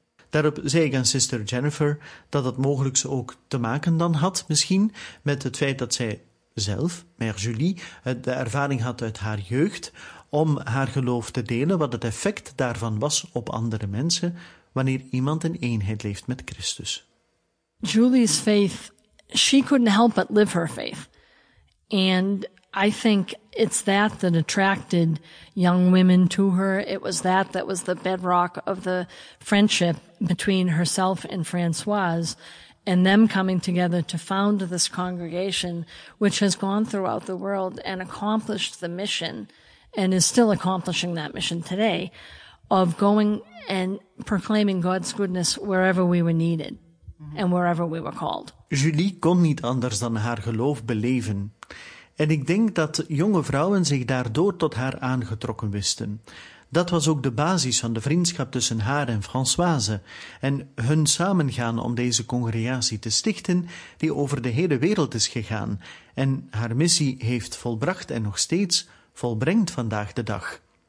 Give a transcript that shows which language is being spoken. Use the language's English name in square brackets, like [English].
[Dutch] Daarop zei ik aan Sister Jennifer dat het mogelijk ook te maken dan had, misschien, met het feit dat zij zelf, Mère Julie, de ervaring had uit haar jeugd om haar geloof te delen, wat het effect daarvan was op andere mensen wanneer iemand in eenheid leeft met Christus. [English] Julie's faith, she couldn't help but live her faith. And I think it's that that attracted young women to her. It was that that was the bedrock of the friendship between herself and Françoise, and them coming together to found this congregation, which has gone throughout the world and accomplished the mission, and is still accomplishing that mission today, of going and proclaiming God's goodness wherever we were needed and wherever we were called. [Dutch] Julie kon niet anders dan haar geloof beleven. En ik denk dat jonge vrouwen zich daardoor tot haar aangetrokken wisten. Dat was ook de basis van de vriendschap tussen haar en Françoise en hun samengaan om deze congregatie te stichten die over de hele wereld is gegaan en haar missie heeft volbracht en nog steeds volbrengt vandaag de dag.